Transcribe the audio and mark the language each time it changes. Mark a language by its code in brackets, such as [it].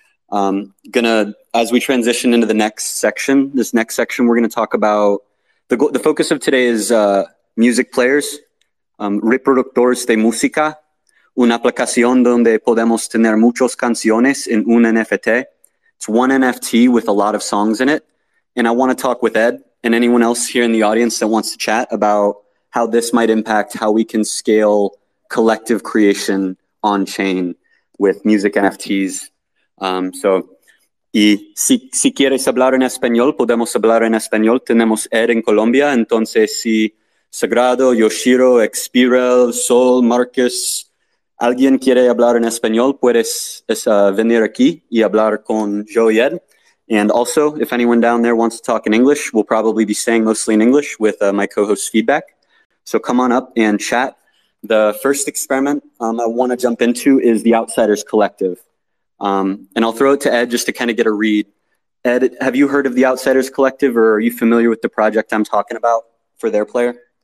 [en] As we transition into the next section, this next section, we're going to talk about the focus of today is music players, [es] reproductores de música, una aplicación donde podemos tener muchas canciones en un NFT. [en] It's one NFT with a lot of songs in it. And I want to talk with Ed and anyone else here in the audience that wants to chat about how this might impact how we can scale collective creation on chain with music NFTs. [es] Y si quieres hablar en español, podemos hablar en español. Tenemos Ed en Colombia. Entonces, si Sagrado, Yoshiro, Expirel, Sol, Marcus, alguien quiere hablar en español, puedes venir aquí y hablar con Joe y Ed. [en] And also, if anyone down there wants to talk in English, we'll probably be saying mostly in English with my co-host's feedback. So come on up and chat. The first experiment I want to jump into is the Outsiders Collective. And I'll throw it to Ed just to kind of get a read. Ed, have you heard of the Outsiders Collective, or are you familiar with the project I'm talking about for their player?